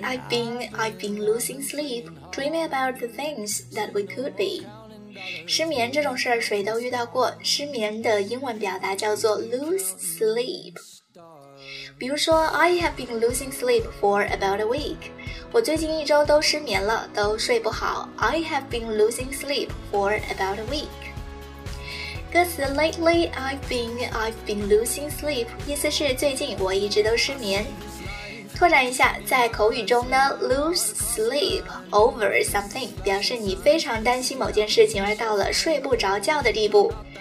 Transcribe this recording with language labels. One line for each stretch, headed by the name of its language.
English: I've been losing sleep, dreaming about the things that we could be.
Chinese: 失眠这种事儿谁都遇到过，失眠的英文表达叫做 lose sleep. 比如说
English: I have been losing sleep for about a week.
Chinese: 我最近一周都失眠了，都睡不好。
English: I have been losing sleep for about a week.
Chinese: 歌词
English: Lately I've been losing sleep
Chinese: 意思是最近我一直都失眠。拓展一下，在口语中呢，
English: lose sleep over something
Chinese: 表示你非常担心某件事情而到了睡不着觉的地步。